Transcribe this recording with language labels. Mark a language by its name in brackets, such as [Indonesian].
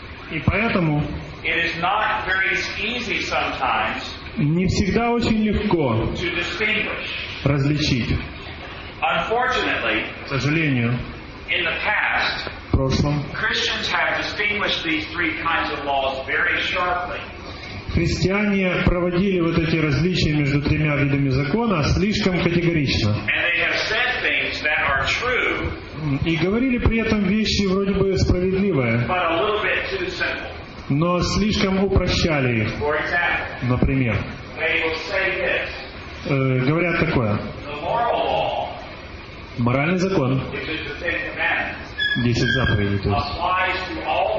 [Russian] И поэтому не всегда очень легко различить. [English] Unfortunately, [Russian] к сожалению, [English] in the past, [Russian] в прошлом, [English] Christians have distinguished these three kinds of laws very sharply. [Russian] Христиане проводили вот эти различия между тремя видами закона слишком категорично. [English] And they have said things that are true. [Russian] И говорили при этом вещи вроде бы справедливые, [English] but a little bit too simple. [Russian] Но слишком упрощали их. [English] For example, [Russian] например, [English] they will say this. [Russian] Говорят такое. [English] The moral law. [Russian] Моральный закон, 10 заповедей, то